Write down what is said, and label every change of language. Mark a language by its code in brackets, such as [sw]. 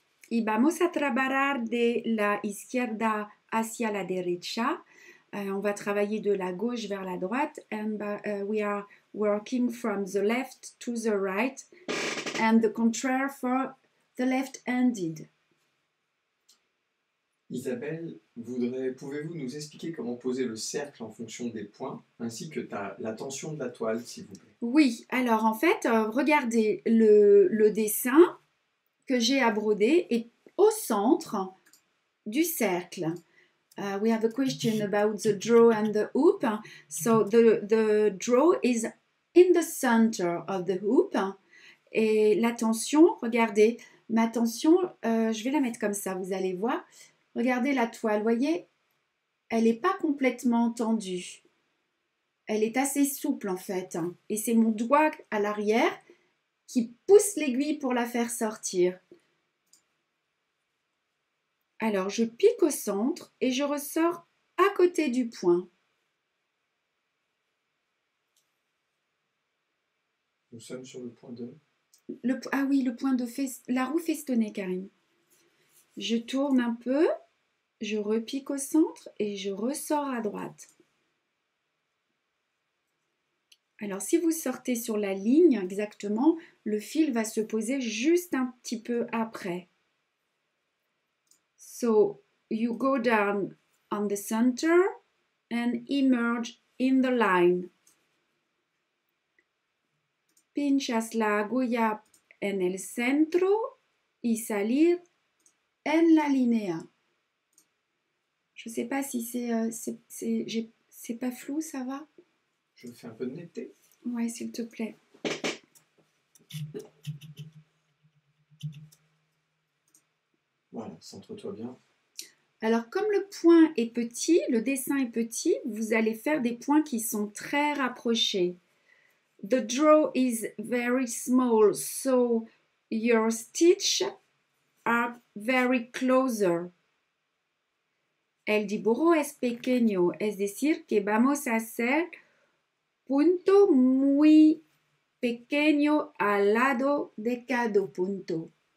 [es] Y vamos a trabajar de la izquierda hacia la derecha. [fr] On va travailler de la gauche vers la droite. [en] And we are working from the left to the right. And the contraire for the left-handed. [fr] Isabelle, pouvez-vous nous expliquer comment poser le cercle en fonction des points, ainsi que la tension de la toile, s'il vous plaît? Oui, alors en fait, regardez le dessin que j'ai à broder est au centre du cercle. [en] We have a question about the draw and the hoop. So the draw is in the center of the hoop. [fr] Et la tension, regardez, ma tension, je vais la mettre comme ça, vous allez voir. Regardez la toile, vous voyez, elle n'est pas complètement tendue. Elle est assez souple en fait. Hein. Et c'est mon doigt à l'arrière qui pousse l'aiguille pour la faire sortir. Alors, je pique au centre et je ressors à côté du point. Nous sommes sur le point 2. Le point de la roue festonnée, Karine. Je tourne un peu, je repique au centre et je ressors à droite. Alors, si vous sortez sur la ligne exactement, le fil va se poser juste un petit peu après. [en] So, you go down on the center and emerge in the line. [es] Pinchas la aguja en el centro y salir en la linea. [fr] Je ne sais pas si c'est pas flou, ça va? Je me fais un peu de netteté. Oui, s'il te plaît. Voilà, centre-toi bien. Alors, comme le point est petit, le dessin est petit, vous allez faire des points qui sont très rapprochés. [en] The draw is very small, so your stitch are very closer. [es] El dibujo es pequeño, es decir, que vamos a hacer punto muy pequeño al lado de cada punto.